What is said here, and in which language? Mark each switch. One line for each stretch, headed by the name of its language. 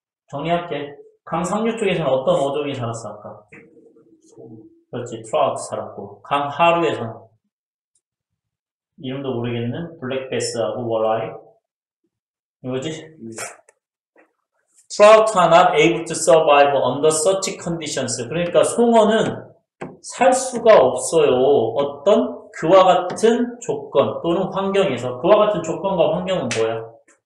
Korean: 정리할게. 강 상류 쪽에서는 어떤 어종이 살았어, 아까? 그렇지, 트라우트 살았고. 강 하류에서는? 이름도 모르겠는 블랙베스하고 월아이? 이거지?
English: 트라우트 are not able to survive under such conditions.
Korean: 그러니까 송어는 살 수가 없어요. 어떤 그와 같은 조건 또는 환경에서. 그와 같은 조건과 환경은 뭐야?